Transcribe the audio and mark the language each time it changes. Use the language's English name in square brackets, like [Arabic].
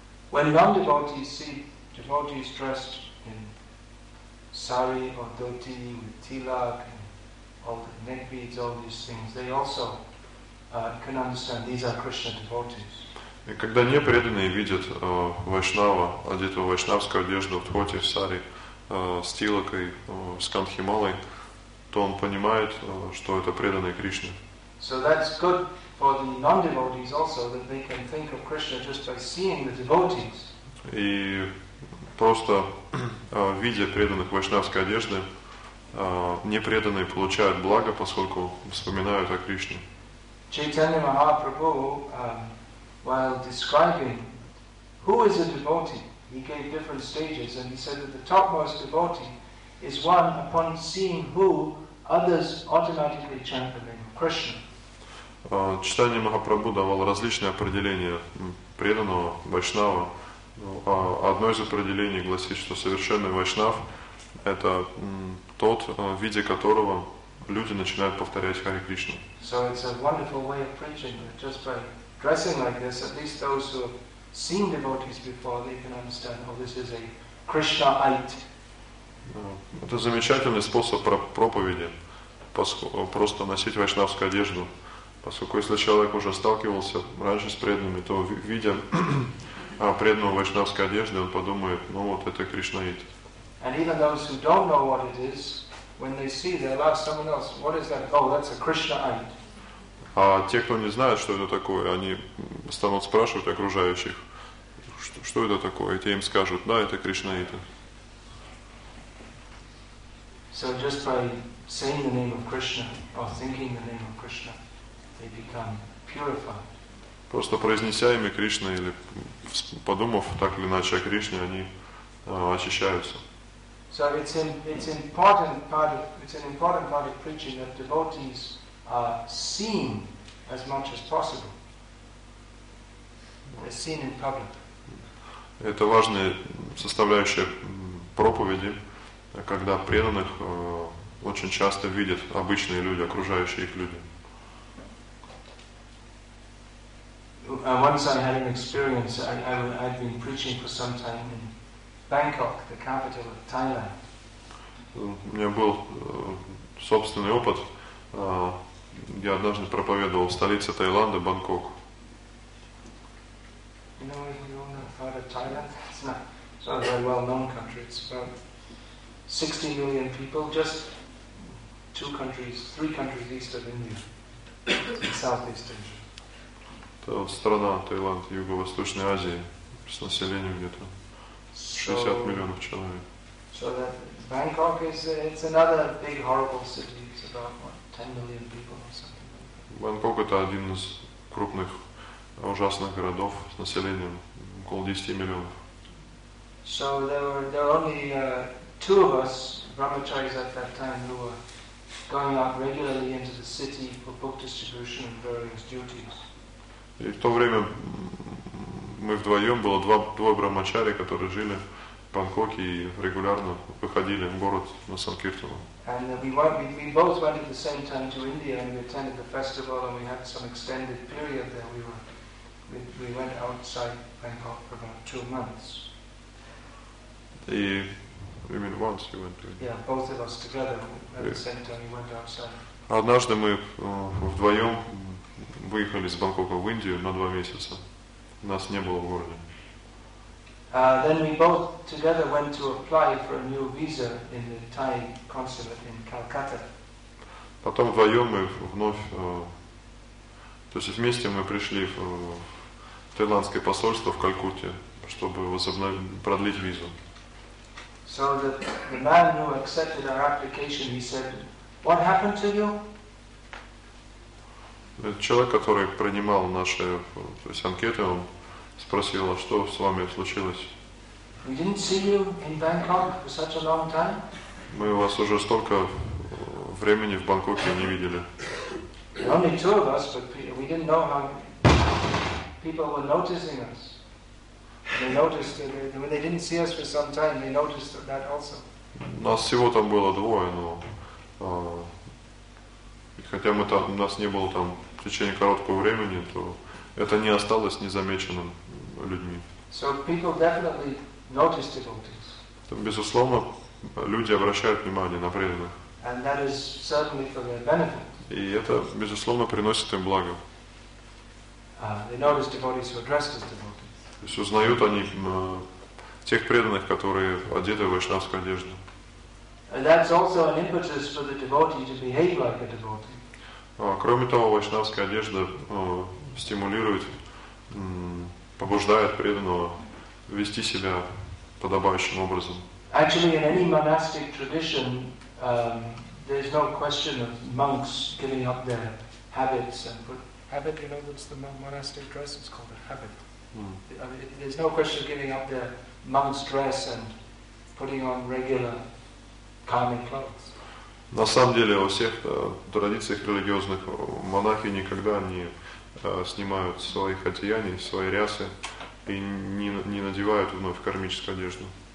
[English] When non-devotees see devotees dressed in sari or dhoti with tilak and all the neck beads, all these things, they also can understand these are Krishna devotees. [Russian] И когда непреданные видят вайшнава, одетого в вайшнавскую одежду, в дхоти, в сари, с тилакой, с кандхималой, то он понимает, что это преданные Кришне. [English] So that's good for the non-devotees also, that they can think of Krishna just by seeing the devotees. [Russian] И просто видя преданных вайшнавской одежды, непреданные получают благо, поскольку вспоминают о Кришне. [English] Чайтанья Махапрабху, while describing who is a devotee, he gave different stages, and he said that the topmost devotee is one upon seeing who others automatically chant the name of Krishna. [Russian] Чайтанья Махапрабху давал различные определения преданного, вайшнава. Одно из определений гласит, что совершенный вайшнав — это тот, в виде которого люди начинают повторять Харе Кришну. [English] So it's a wonderful way of preaching, but just by dressing like this, at least those who have seen devotees before, they can understand, oh, this is a Krishnaite. [Russian] Это замечательный способ проповеди, просто носить вайшнавскую одежду. Поскольку если человек уже сталкивался раньше с преданными, то видя преданного в вайшнавской одежде, он подумает, ну вот, это кришнаит. [English] And even those who don't know what it is, when they see, they'll ask someone else, what is that? Oh, that's a Krishnaite. [Russian] А те, кто не знает, что это такое, они станут спрашивать окружающих, что это такое, и те им скажут, да, это кришнаиты. [English] So just by saying the name of Krishna, or thinking the name of Krishna, they become purified. [Russian] Просто произнеся имя Кришны или подумав так или иначе о Кришне, они очищаются. [English] So it's an important part of preaching that devotees are seen as much as possible. They're seen in public. [Russian] Это важная составляющая проповеди, когда преданных очень часто видят обычные люди, окружающие их люди. [English] Once I had an experience. I've been preaching for some time in Bangkok, the capital of Thailand. [Russian] У меня был собственный опыт. Я однажды проповедовал в столице Таиланда, Бангкок. [English] You know, if you know part of Thailand, it's not a very well-known country. It's about 60 million people, just three countries east of India, Southeast Asia. [Russian] Это страна Таиланд, Юго-Восточной Азии, с населением где-то 60 миллионов человек. [English] So that Bangkok is another big horrible city. It's about 10 million people or something. [Russian] Бангкок — это один из крупных ужасных городов с населением около 10 миллионов. [English] So there were only two of us, brahmacharis at that time, who were going out regularly into the city for book distribution and various duties. [Russian] И в то время мы вдвоем, было двое брахмачари, которые жили в Бангкоке и регулярно выходили в город на санкиртану. [English] And we both went at the same time to India and we attended the festival and we had some extended period there. We went outside Bangkok for about 2 months. You mean once you went to India? Yeah, both of us together at the same time we went outside. [Russian] Однажды мы вдвоем выехали из Бангкока в Индию на 2 месяца. Нас не было в городе. [English] Then we both together went to apply for a new visa in the Thai consulate in Calcutta. [Russian] Потом вдвоем мы вновь, то есть вместе мы пришли в тайландское посольство в Калькутте, чтобы продлить визу. [English] So the man who accepted our application, he said, "What happened to you?" [Russian] Человек, который принимал наши, то есть анкеты, он спросил, что с вами случилось? [English] We didn't see you in Bangkok for such a long time. [Russian] Мы вас уже столько времени в Бангкоке не видели. [English] Only two of us, but we didn't know how people were noticing us. They noticed that when they didn't see us for some time, they noticed that also. [Russian] Нас всего там было двое, но хотя мы там, нас не было там в течение короткого времени, то это не осталось незамеченным людьми. [English] So people definitely notice devotees. [Russian] Там, безусловно, люди обращают внимание на преданных. [English] And that is certainly for their benefit. [Russian] И это, безусловно, приносит им благо. [English] They notice devotees who are dressed as devotees. [Russian] То есть узнают они тех преданных, которые одеты в вайшнавскую одежду. [English] And that's also an impetus for the devotee to behave like a devotee. [Russian] Кроме того, вайшнавская одежда стимулирует, побуждает преданного вести себя подобающим образом. [English] Actually, in any monastic tradition, there's no question of monks giving up their habits and habit. You know, that's the monastic dress. It's called a habit. Mm. I mean, there's no question of giving up their monk's dress and putting on regular common clothes. [Russian] На самом деле, во всех традициях религиозных монахи никогда не снимают своих одеяний, свои рясы и не надевают вновь кармическую одежду.